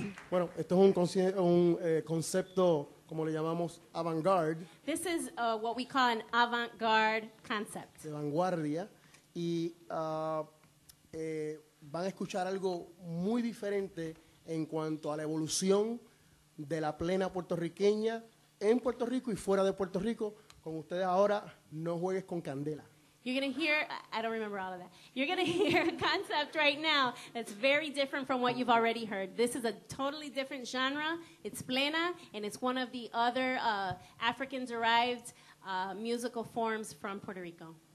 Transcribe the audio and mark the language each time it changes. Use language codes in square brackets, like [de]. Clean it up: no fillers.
[es] Bueno, esto es un concepto, como le llamamos, avant-garde. [en] This is what we call an avant-garde concept. [es] De vanguardia. Y van a escuchar algo muy diferente en cuanto a la evolución de la plena puertorriqueña en Puerto Rico y fuera de Puerto Rico. Con ustedes ahora, no juegues con candela. [en] You're going to hear, I don't remember all of that. You're going to hear a concept right now that's very different from what you've already heard. This is a totally different genre. It's plena, and it's one of the other African-derived musical forms from Puerto Rico.